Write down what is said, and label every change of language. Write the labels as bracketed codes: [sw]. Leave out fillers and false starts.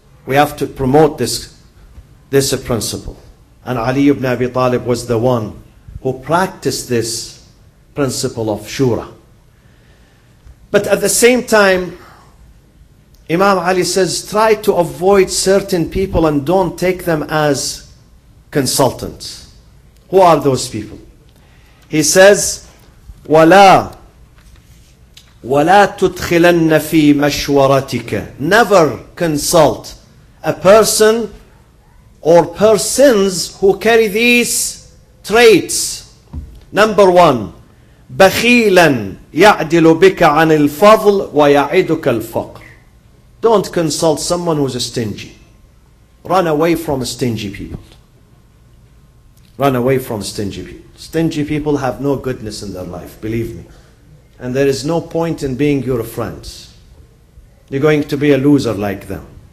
[en] We have to promote this principle. And Ali ibn Abi Talib was the one who practiced this principle of shura. But at the same time, Imam Ali says, try to avoid certain people and don't take them as consultants. Who are those people? He says, [ar] وَلَا تُدْخِلَنَّ فِي مَشْوَرَتِكَ. [en] Never consult a person or persons who carry these traits. Number one, [ar] بَخِيلًا يَعْدِلُ بِكَ عَنِ الْفَضْلِ وَيَعِدُكَ الْفَقْرِ. [en] Don't consult someone who's stingy. Run away from stingy people. Run away from stingy people. Stingy people have no goodness in their life, believe me. And there is no point in being your friends. You're going to be a loser like them.